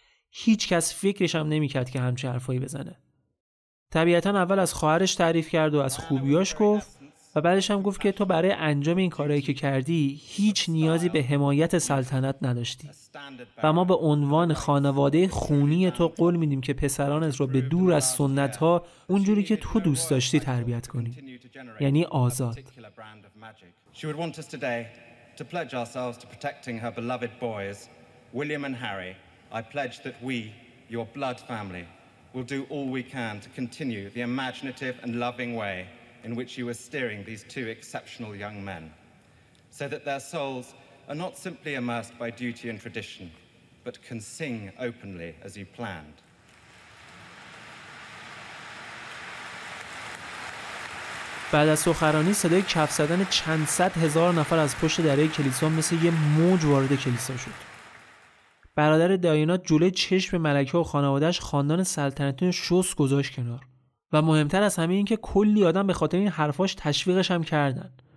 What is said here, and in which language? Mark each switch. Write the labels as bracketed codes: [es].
[fa] هیچ کس فکرش هم نمی‌کرد که همچین حرفایی بزنه. طبیعتاً اول از خواهرش تعریف کرد و از خوبیاش گفت و بعدش هم گفت که تو برای انجام این کارهایی که کردی هیچ نیازی به حمایت سلطنت نداشتی و ما به عنوان خانواده خونی تو قول میدیم که پسرانت رو به دور از سنت‌ها اونجوری که تو دوست داشتی تربیت کنی، یعنی آزاد. [en] She would want us today to pledge ourselves to protecting her beloved boys William and Harry. I pledge that we, your blood family, will do all we can to continue the imaginative and loving way in which you were steering these 2 exceptional young men, so that their souls are not simply immersed by duty and tradition, but can sing openly as you planned. [fa] بعد از سخنرانی صدای کف زدن چند صد هزار نفر از پشت دره کلیسا مثل یه موج وارد کلیسا شد. برادر دایانا جلوی چشم ملکه و خانواده‌اش خاندان سلطنتی رو شست گذاشت کنار و مهمتر از همه اینکه کلی آدم به خاطر این حرفاش تشویقش هم کردن.